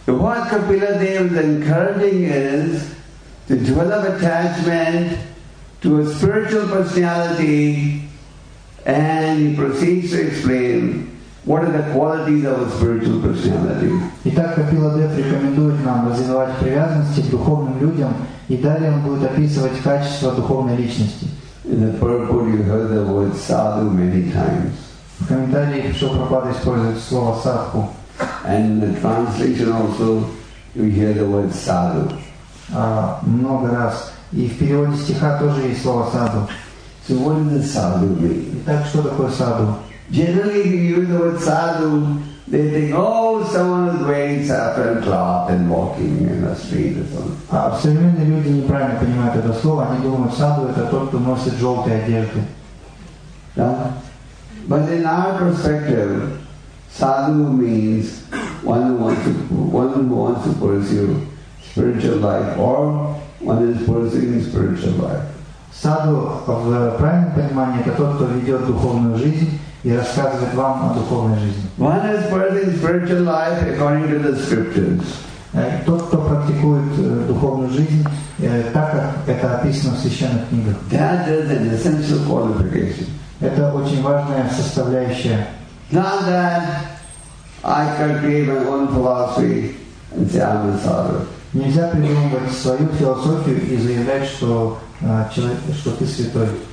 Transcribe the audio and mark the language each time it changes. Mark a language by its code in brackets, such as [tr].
[en] What Kapila Dev is encouraging is to develop attachment to a spiritual personality, and he proceeds to explain what are the qualities of a spiritual personality. [ru] Итак, Капила Дев рекомендует нам развивать привязанности к духовным людям, и далее он будет описывать качества духовной личности. [en] In the purport, you heard the word sadhu many times. [ru] В комментариях Шопрапада использует слово садху. [en] And in the translation also, you hear the word sadhu. [ru] Много раз. И в переводе стиха тоже есть слово садху. [en] So what does the sadhu mean? [ru] Итак, что такое садху? [en] Generally, if you use the word sadhu, they think, oh, someone is wearing saffron cloth and walking in the street or something. [ru] Современные люди неправильно понимают это слово. Они думают, садху это тот, кто носит желтые одежды. Да? [en] But in our perspective, sadhu means one who wants to pursue spiritual life, or one is pursuing spiritual life. [ru] Sadhu, в правильном понимании, это тот, кто ведет духовную жизнь и рассказывает вам о духовной жизни. [en] One is pursuing spiritual life according to the scriptures. [ru] Тот, кто практикует духовную жизнь, так как это описано в священных книгах. [en] That is an essential qualification. [ru] Это очень важная составляющая. [en] Not that I can create my own philosophy and say I'm a sadhu. [ru] Нельзя придумывать свою философию и заявлять, что человек, что ты святой.